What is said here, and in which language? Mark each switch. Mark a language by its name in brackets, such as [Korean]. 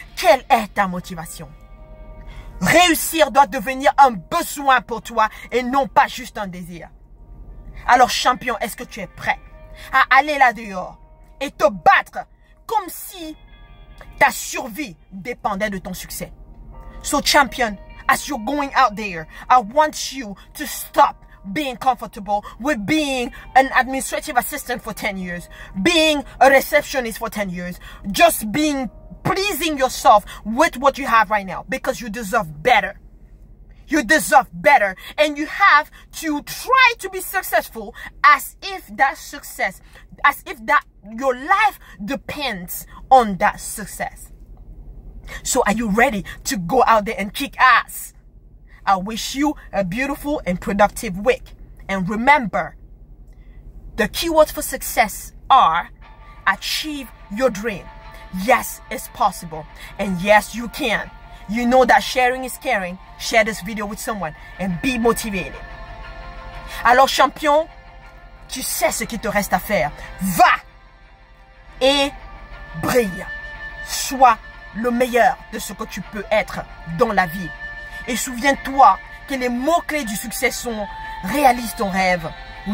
[French] Quelle est ta motivation? Réussir doit devenir un besoin pour toi et non pas juste un désir. Alors champion, est-ce que tu es prêt à aller là-dehors et te battre comme si ta survie dépendait de ton succès? [English] So champion, as you're going out there, I want you to stop being comfortable with being an administrative assistant for 10 years, being a receptionist for 10 years, just being pleasing yourself with what you have right now, because you deserve better. You deserve better, and you have to try to be successful as if that success, as if that your life depends on that success. So are you ready to go out there and kick ass? I wish you a beautiful and productive week. And remember, the keywords for success are achieve your dream. Yes, it's possible. And yes, you can. You know that sharing is caring. Share this video with someone and be motivated. [French] Alors champion, tu sais ce qu'il te reste à faire. Va et brille. Sois le meilleur de ce que tu peux être dans la vie. Et souviens-toi que les mots-clés du succès sont « Réalise ton rêve ».